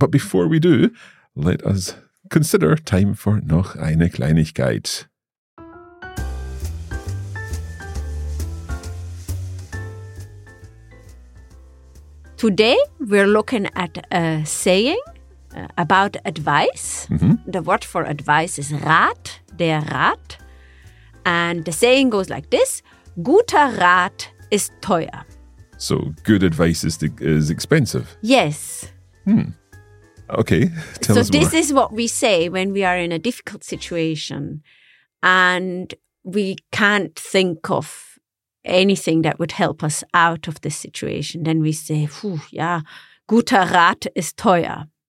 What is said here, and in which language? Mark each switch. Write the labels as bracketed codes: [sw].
[en] But before we do, let us consider time for Noch eine Kleinigkeit. Today, we're looking at a saying about advice. Mm-hmm. The word for advice is Rat, der Rat. And the saying goes like this, [de] guter Rat ist teuer. [en] So good advice is expensive. Yes. Hmm. Okay, tell so us So this more. Is what we say when we are in a difficult situation and we can't think of anything that would help us out of this situation. Then we say, yeah, [de] guter Rat ist teuer.